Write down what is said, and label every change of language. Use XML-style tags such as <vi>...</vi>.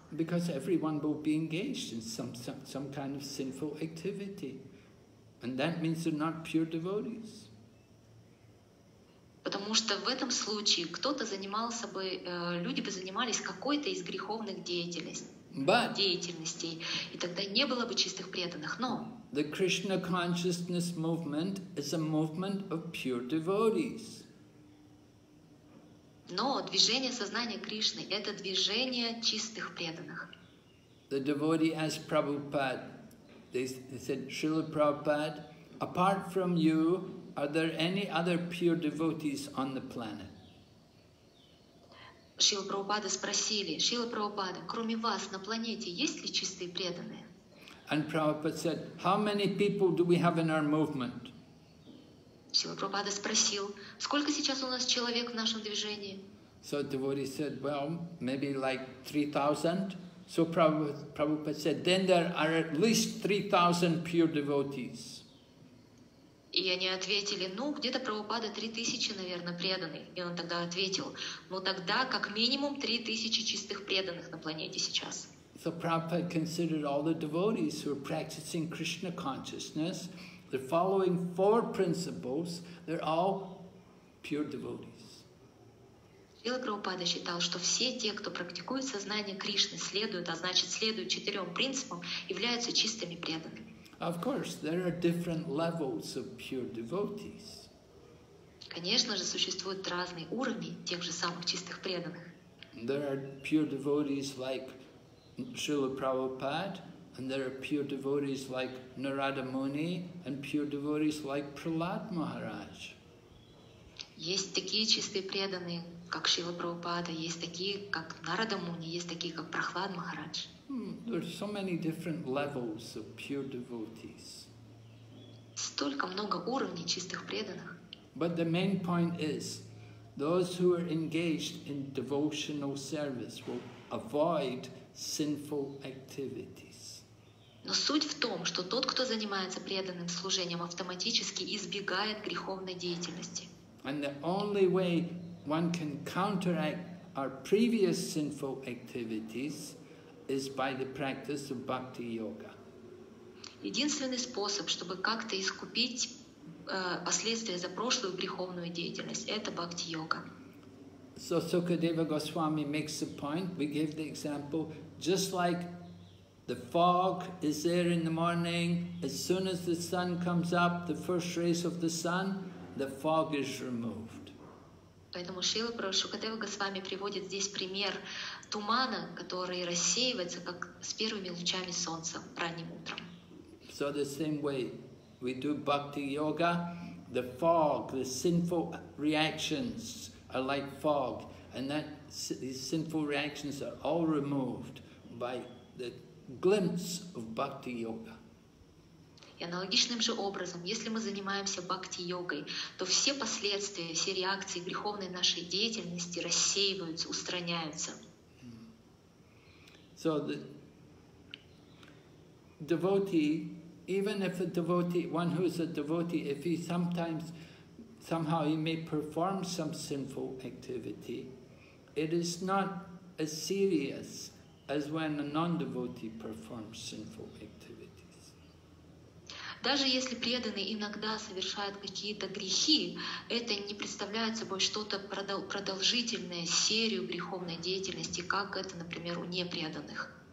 <en>Because everyone will be engaged in some kind of sinful activity. And that means they're not pure devotees.</en> <ru>Потому что в этом случае кто-то занимался бы, люди бы занимались какой-то из греховных деятельностей, и тогда не было бы чистых преданных, но...</ru> <en>The Krishna consciousness movement is a movement of pure devotees.</en> <ru>Но движение сознания Кришны — это движение чистых преданных.</ru> <en>The devotee asked Prabhupada, they said, Srila Prabhupada, apart from you, are there any other pure devotees on the planet?</en> <ru>Srila Prabhupada спросили, Srila Prabhupada, кроме вас на планете есть ли чистые преданные?</ru> <en>And Prabhupada said, how many people do we have in our movement?</en> <ru>Srila Prabhupada спросил, сколько сейчас у нас человек в нашем движении?</ru> <en>So the devotee said, well, maybe like 3,000. So Prabhupada said, then there are at least 3,000 pure devotees.</en> <ru>И они ответили, ну, где-то Прабхупада 3,000, наверное, преданный. И он тогда ответил, ну, тогда как минимум 3,000 чистых преданных на планете сейчас.</ru> <en>So Prabhupada considered all the devotees who are practicing Krishna consciousness, they're following four principles, they're all pure devotees.</en> <ru>Srila Prabhupada считал, что все те, кто практикует сознание Кришны, следуют, а значит следуют четырем принципам, являются чистыми преданными.</ru> <en>Of course, there are different levels of pure devotees.</en> <ru>Конечно же, существуют разные уровни тех же самых чистых преданных.</ru> <en>There are pure devotees like Srila Prabhupada, and there are pure devotees like Narada Muni, and pure devotees like Prahlad Maharaj.</en> <ru>Есть такие чистые преданные, как Шрила Прабхупада, есть такие, как Нарада Муни, есть такие, как Прахлад Махарадж.</ru> <en>There are so many different levels of pure devotees.</en> <ru>Столько много уровней чистых преданных.</ru> <en>But the main point is, those who are engaged in devotional service will avoid sinful activities.</en> <ru>Но суть в том, что тот, кто занимается преданным служением, автоматически избегает греховной деятельности.</ru> <en>And the only way one can counteract our previous sinful activities is by the practice of bhakti yoga.</en> <ru>Единственный способ, чтобы как-то искупить последствия за прошлую греховную деятельность, это бхакти йога.</ru> <en>So Sukadeva Goswami makes the point, we give the example, just like the fog is there in the morning, as soon as the sun comes up, the first rays of the sun, the fog is removed.</en> <ru>Поэтому Шрила Прабхупада с вами приводит здесь пример тумана, который рассеивается как с первыми лучами солнца ранним утром.</ru> <en>So the same way we do bhakti yoga, the fog, the sinful reactions are like fog, and that these sinful reactions are all removed by the glimpse of bhakti yoga.</en> <ru>И аналогичным же образом, если мы занимаемся бхакти йогой, то все последствия, все реакции греховной нашей деятельности рассеиваются, устраняются.</ru> <en>So the devotee, even if a devotee, one who is a devotee, if he somehow he may perform some sinful activity, it is not as serious as when a non-devotee performs sinful activities.</en> <ru>Даже если преданный иногда совершает какие-то грехи, это не представляет собой что-то продолжительное, серию греховной деятельности, как это, например, у непреданных.</ru>